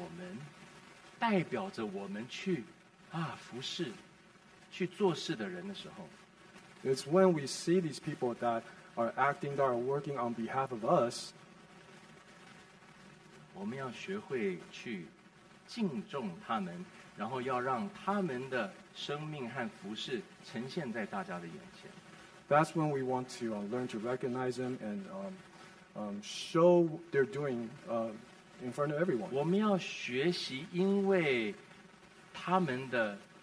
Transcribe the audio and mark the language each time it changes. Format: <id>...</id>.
<zh>而是说我们在教会里面，当我们看见这些是为了我们，代表着我们去。啊，服侍，去做事的人的时候，</zh> <en>It's when we see these people that are acting, that are working on behalf of us.</en> <zh>我们要学会去敬重他们，然后要让他们的生命和服侍呈现在大家的眼前。That's</zh> <en>when we want to learn to recognize them and show they're doing in front of everyone.</en> <zh>我们要学习，因为他们的。</zh>